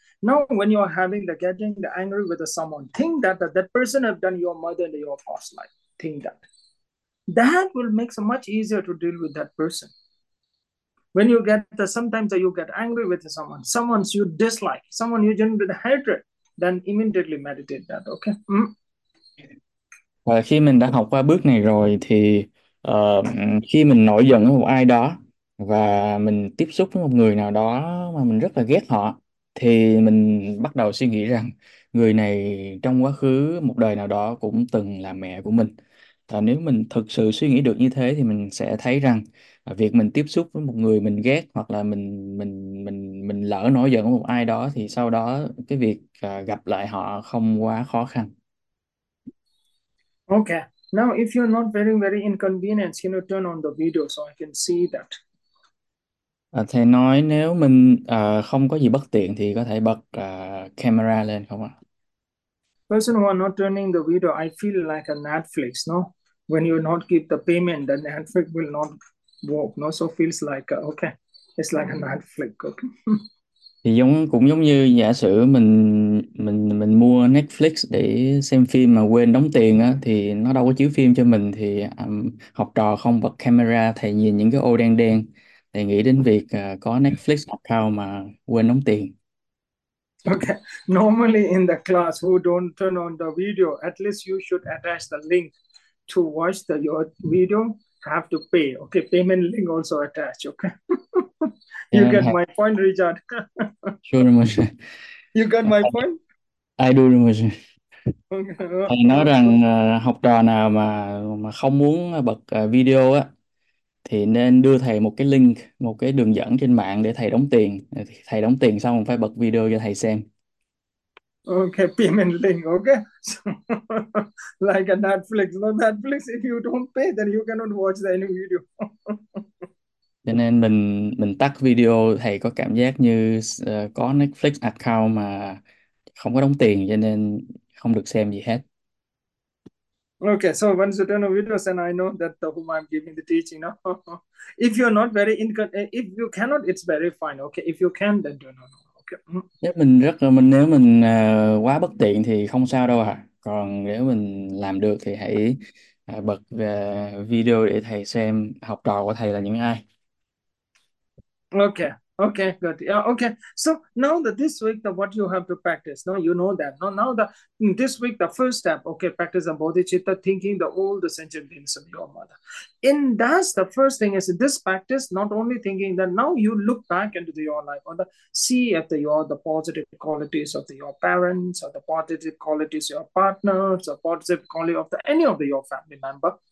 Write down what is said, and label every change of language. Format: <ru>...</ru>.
<en>Now when you are having the getting the angry with the someone, think that that person have done your mother in your past life. Think that. That will make it much easier to deal with that person. When you get the sometimes you get angry with someone, someone you dislike, someone you generate the hatred, then immediately meditate that, okay?</en> <vi>Và khi mình đã học qua bước này rồi, thì khi mình nổi giận với một ai đó và mình tiếp xúc với một người nào đó mà mình rất là ghét họ, thì mình bắt đầu suy nghĩ rằng người này trong quá khứ một đời nào đó cũng từng là mẹ của mình. Và nếu mình thực sự suy nghĩ được như thế, thì mình sẽ thấy rằng việc mình tiếp xúc với một người mình ghét, hoặc là mình lỡ nổi giận với một ai đó, thì sau đó cái việc gặp lại họ không quá khó khăn.</vi> <en>Okay, now if you're not very, very inconvenient, can you turn on the video so I can see that?</en> <vi>Thầy nói nếu mình không có gì bất tiện thì có thể bật camera lên không ạ?</vi> <en>Person who are not turning the video, I feel like a Netflix, no? When you not keep the payment, then Netflix will not work, no? So feels like, okay, it's like a Netflix, okay?</en> <vi>Thì cũng giống như giả sử mình mua Netflix để xem phim mà quên đóng tiền á, thì nó đâu có chiếu phim cho mình. Thì học trò không bật camera, thầy nhìn những cái ô đen đen, thầy nghĩ đến việc có Netflix account mà quên đóng tiền.</vi> <en>Okay. Normally in the class, who don't turn on the video, at least you should attach the link to watch the your video. Have to pay. Okay, payment link also attached. Okay. You get my point, Richard. Sure, Moshe. You got my point? I Okay.</en> <vi>thầy nói rằng học trò nào mà không muốn bật video á thì nên đưa thầy một cái link, một cái đường dẫn trên mạng để thầy đóng tiền. Thầy đóng tiền xong phải bật video cho thầy xem.</vi> <en>Okay, payment link, okay? So, like a Netflix. No, Netflix, if you don't pay, then you cannot watch the</en> <vi>Cho nên mình tắt video, thầy có cảm giác như có Netflix account mà không có đóng tiền cho nên không được xem gì hết.</vi> <en>video. Okay, so once you turn on videos, then I know that the whom I'm giving the teaching. No? If you're not very incon if you cannot, it's very fine. Okay, if you can, then turn on. Okay.</en> <vi>Nếu mình rất là mình nếu mình quá bất tiện thì không sao đâu ạ. Còn nếu mình làm được thì hãy bật video để thầy xem học trò của thầy là những ai.</vi> <en>Okay, good. Yeah, okay. So now that this week the what you have to practice. Now you know that. Now the this week the first step, okay, practice the bodhicitta, thinking the all the sentient beings of your mother. In that's the first thing is this practice, not only thinking that now you look back into your life on the see if you are the positive qualities of your parents or the positive qualities of your partners or positive quality of the, any of the, your family member.</en>